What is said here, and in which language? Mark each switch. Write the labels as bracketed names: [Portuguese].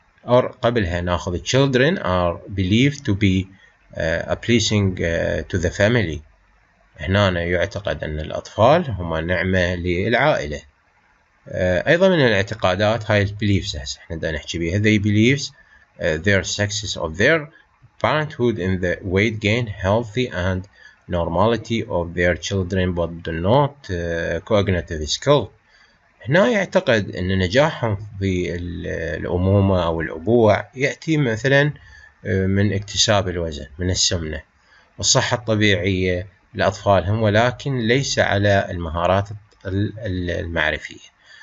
[English] Or [Arabic] قبلها ناخذ [English] children are believed to be a blessing to the family. [Arabic] هنا يعتقد أن الأطفال هما نعمة للعائلة. أيضا من الاعتقادات هاي beliefs هسه إحنا دا نحكي بيها. [English] They believes their success of their parenthood in the weight gain, healthy and normality of their children, but do not cognitive skill. [Arabic] هنا يعتقد أن نجاحهم في الأمومة أو الأبوة يأتي مثلا من اكتساب الوزن، من السمنة، الصحة الطبيعية لأطفالهم، ولكن ليس على المهارات المعرفية.